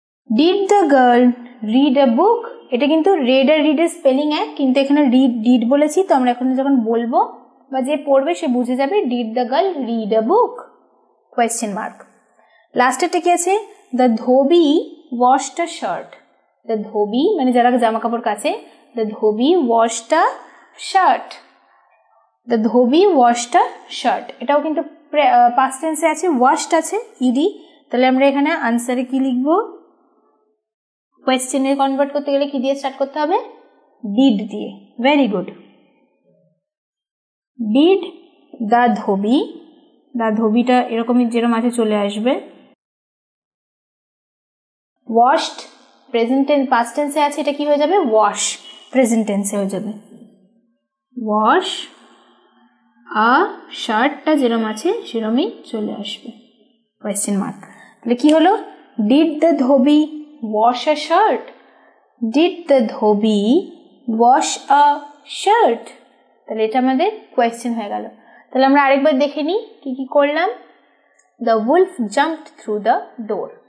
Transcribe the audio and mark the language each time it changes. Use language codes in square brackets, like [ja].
[en] Did the girl read a book? [bn] এটা কিন্তু read আর read এর স্পেলিং এক, কিন্তু এখানে did বলেছি, তো আমরা এখন যখন বলবো বা যে পড়বে সে বুঝে যাবে [en] did the girl read a book? Question mark. [bn] লাস্টেরটা কি আছে? [en] The dhobi washed a shirt. The dhobi [bn] মানে যারা জামা কাপড় কাচে, [en] the dhobi washed a shirt. The dhobi washed a shirt. [bn] এটাও কিন্তু past tense আছে, washed আছে ed. তাহলে আমরা এখানে আনসারে কি লিখবো? কোয়েশ্চেনে কনভার্ট করতে গেলে কি দিয়ে স্টার্ট করতে হবে? ডিড দিয়ে। Very good. [en] did the dhobi, [bn] দা ধোবিটা এরকমই যেরকম আছে চলে আসবে। ওয়াশড প্রেজেন্ট টেন্স, পাস্ট টেন্সে আছে, এটা কি হয়ে যাবে? ওয়াশ প্রেজেন্ট টেন্সে হয়ে যাবে। ওয়াশ আ শার্টটা যেরকম আছে সেরকমই চলে আসবে, কোয়েশ্চেন মার্ক। তাহলে কি হলো? [en] Did the dhobi wash a shirt? Did the dhobi wash a shirt? [bn] তাহলে এটা আমাদের question হয়ে গেল। তাহলে আমরা আরেকবার দেখে নিই কি কি করলাম। [en] The wolf jumped through the door.